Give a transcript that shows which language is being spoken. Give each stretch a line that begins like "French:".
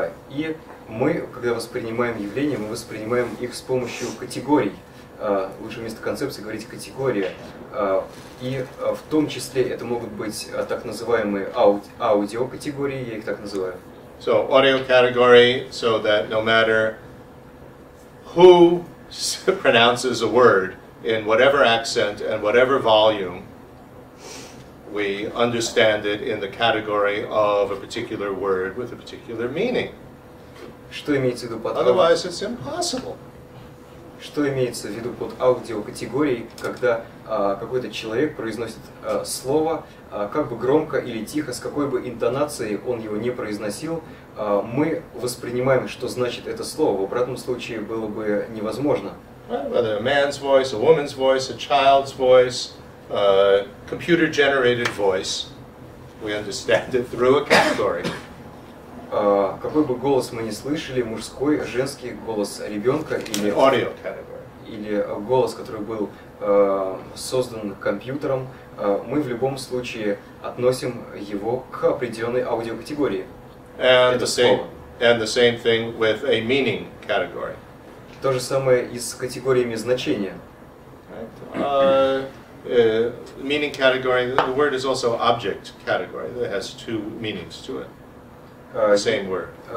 Russian: И мы, когда воспринимаем явления, мы воспринимаем их с помощью категорий. Лучше вместо концепции говорить категория. И в том числе это могут быть так называемые аудиокатегории, я их так называю.
English: So, audio category, so that no matter who pronounces a word in whatever accent and whatever volume, we understand it in the category of a particular word with a particular meaning.
Russian: Что имеется в виду под...
English: Otherwise, it's impossible.
Russian: Что имеется в виду под аудиокатегорией, когда какой-то человек произносит слово, как бы громко или тихо, с какой бы интонацией он его не произносил, мы воспринимаем, что значит это слово. В обратном случае было бы невозможно.
English: Whether a man's voice, a woman's voice, a child's voice, a computer-generated voice, we understand it through a category.
Russian: Какой бы голос мы ни слышали, мужской, женский, голос ребенка или,
English: audio category.
Russian: Или голос, который был создан компьютером, мы в любом случае относим его к определенной аудиокатегории.
English: And the same thing with a meaning category.
Russian: То же самое и с категориями значения.
English: Meaning category, the word is also object category. It has two meanings to it. Same word.